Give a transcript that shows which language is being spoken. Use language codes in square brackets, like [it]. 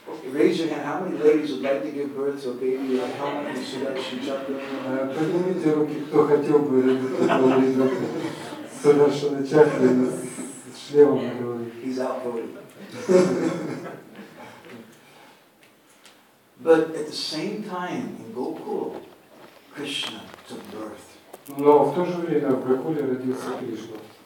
[en] Raise your hand. How many ladies would like to give birth to a baby with a helmet and a Sudarshan chakra? [ru] Поднимите руки, кто хотел бы родить такого ребенка с Sudarshan chakra и с шлемом на голове. [en] He's outvoted. But at the same time in Gokul, Krishna took birth. [ru] Но в то же время в Гокуле родился Кришна.